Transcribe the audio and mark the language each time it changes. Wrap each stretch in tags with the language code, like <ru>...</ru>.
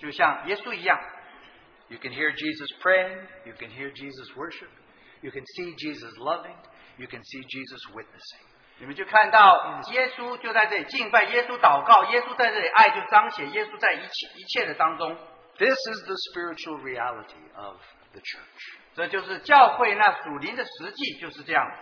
<zh>就像耶稣一样。</zh> <en>You can hear Jesus praying. You can hear Jesus worship. You can see Jesus loving. You can see Jesus witnessing.</en> <zh>你们就看到耶稣就在这里敬拜，耶稣祷告，耶稣在这里爱就彰显，耶稣在一切的当中。</zh> <en>This is the spiritual reality of the church.</en> <zh>这就是教会那属灵的实际，就是这样。</zh>